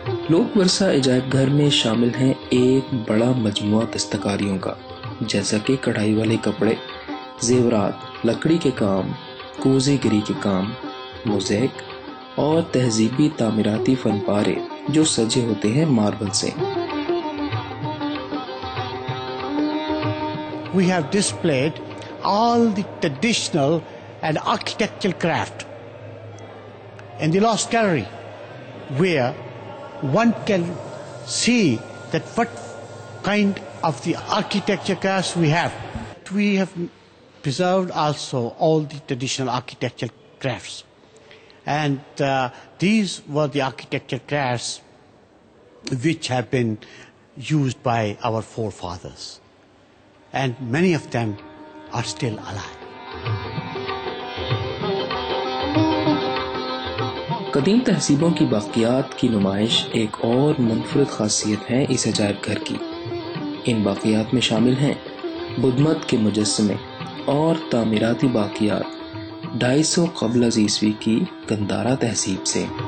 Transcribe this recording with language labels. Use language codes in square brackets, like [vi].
[ur] لوک ورثہ عجائب گھر میں شامل ہیں ایک بڑا مجموعہ دستکاریوں کا، جیسا کہ کڑھائی والے کپڑے، زیورات، لکڑی کے کام، کوزے گری کے کام، موزیک اور تہذیبی تعمیراتی فن پارے جو سجے ہوتے ہیں ماربل سے۔ [en] We have displayed all the traditional and architectural craft in the lost gallery, where one can see that what kind of the architecture class we have. We have preserved also all the traditional architectural crafts. And these were the architectural crafts which have been used by our forefathers. And many of them are still alive. [ur] قدیم تہذیبوں کی باقیات کی نمائش ایک اور منفرد خاصیت ہے اس عجائب گھر کی۔ ان باقیات میں شامل ہیں بدھ مت کے مجسمے اور تعمیراتی باقیات 250 قبل از عیسوی کی گندارا تہذیب سے۔